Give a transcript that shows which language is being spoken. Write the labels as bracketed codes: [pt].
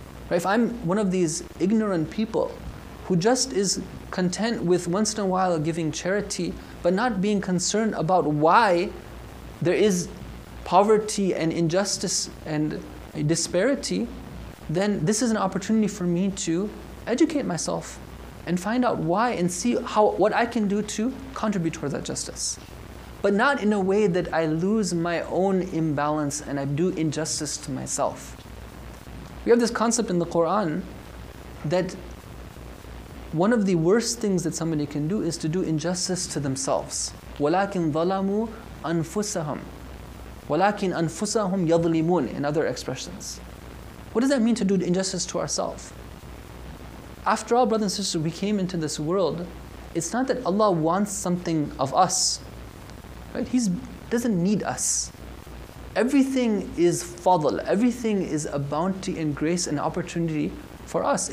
[en] Right? If I'm one of these ignorant people who just is content with once in a while giving charity, but not being concerned about why there is poverty and injustice and disparity, then this is an opportunity for me to educate myself and find out why and see how what I can do to contribute towards that justice. But not in a way that I lose my own imbalance and I do injustice to myself. We have this concept in the Quran that one of the worst things that somebody can do is to do injustice to themselves. [ar] وَلَكِنْ ظَلَمُوا أَنفُسَهُمْ وَلَكِنْ أَنفُسَهُمْ يَظْلِمُونَ [en] in other expressions. What does that mean to do injustice to ourselves? After all, brothers and sisters, we came into this world. It's not that Allah wants something of us. Right? He doesn't need us. Everything is fadl. Everything is a bounty and grace and opportunity for us.